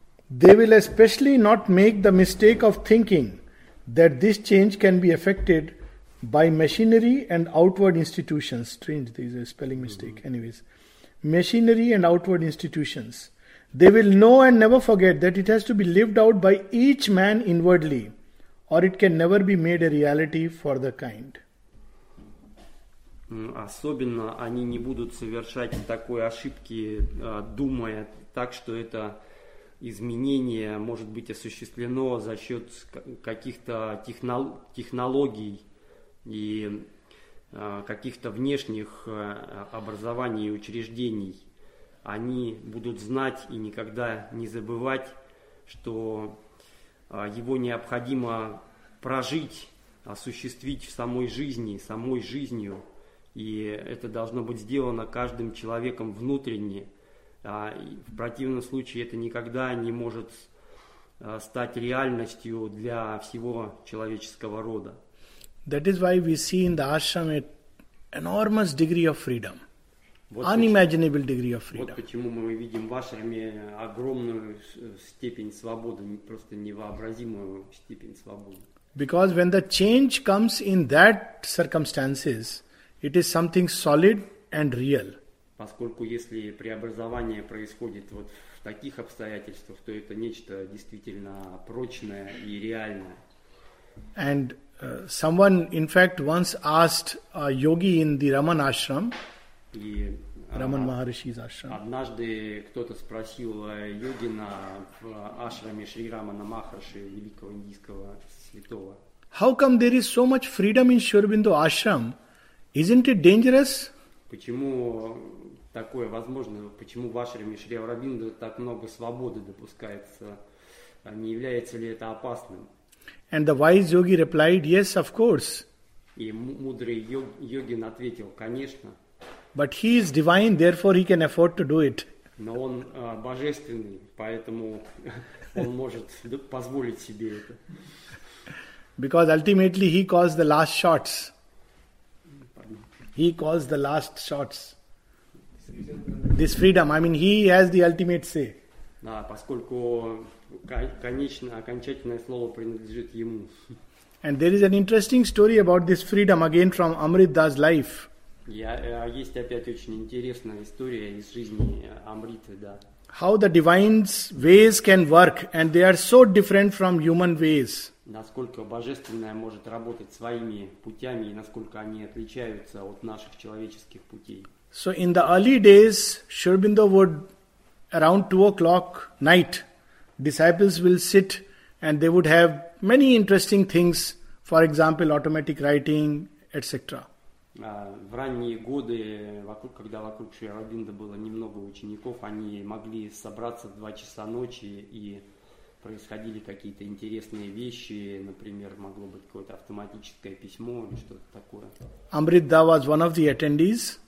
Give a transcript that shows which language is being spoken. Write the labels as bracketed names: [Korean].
[English] They will especially not make the mistake of thinking that this change can be effected by machinery and outward institutions. Strange, this is a spelling mistake. Mm-hmm. Anyways, machinery and outward institutions. They will know and never forget that it has to be lived out by each man inwardly, or it can never be made a reality for the kind. [Russian] Особенно они не будут совершать такой ошибки, думая так, что это изменение может быть осуществлено за счет каких-то технологий и каких-то внешних образований и учреждений. Они будут знать и никогда не забывать, что его необходимо прожить, осуществить в самой жизни, самой жизнью. И это должно быть сделано каждым человеком внутренне. В противном случае это никогда не может стать реальностью для всего человеческого рода. [English] That is why we see in the ashram an enormous degree of freedom. Unimaginable degree of freedom. [Russian] Вот почему мы видим в ашраме огромную степень свободы, просто невообразимую степень свободы. [English] Because when the change comes in that circumstances, it is something solid and real. [Russian] Поскольку если преобразование происходит вот в таких обстоятельствах, то это нечто действительно прочное и реальное. [English] And someone, in fact, once asked a yogi in the Raman ashram, Raman Maharishi's ashram. [Russian] Однажды кто-то спросил йогина в ашраме Шри Рамана Махарши, великого индийского святого. [English] How come there is so much freedom in Шри Рабиндра ashram? Isn't it dangerous? [Russian] Почему такое возможно? Почему в ашраме Шри Аурабинда так много свободы допускается? Не является ли это опасным? [English] And the wise yogi replied, yes, of course. [Russian] И мудрый йогин ответил, конечно. [English] But he is divine, therefore he can afford to do it. [Russian] Но он божественный, поэтому он может позволить себе это. [English] Because ultimately he calls the last shots. He calls the last shots. This freedom, I mean, he has the ultimate say. [Russian] Да, поскольку конечно, окончательное слово принадлежит ему. [English] And there is an interesting story about this freedom again from Amrit Das life. [Russian] Есть опять очень интересная история из жизни Амриты, да. [English] How the divine's ways can work, and they are so different from human ways. [Russian] Насколько божественное может работать своими путями, и насколько они отличаются от наших человеческих путей. [English] So in the early days, Шри Аурабиндо would, around 2 o'clock night, disciples will sit and they would have many interesting things, for example, automatic writing, etc. [Russian] В ранние годы, когда вокруг Шри Аурабиндо было немного учеников, они могли собраться в 2 часа ночи и происходили какие-то интересные вещи, например, могло быть какое-то автоматическое письмо или что-то такое. [English] Amrit Da was one of the attendees.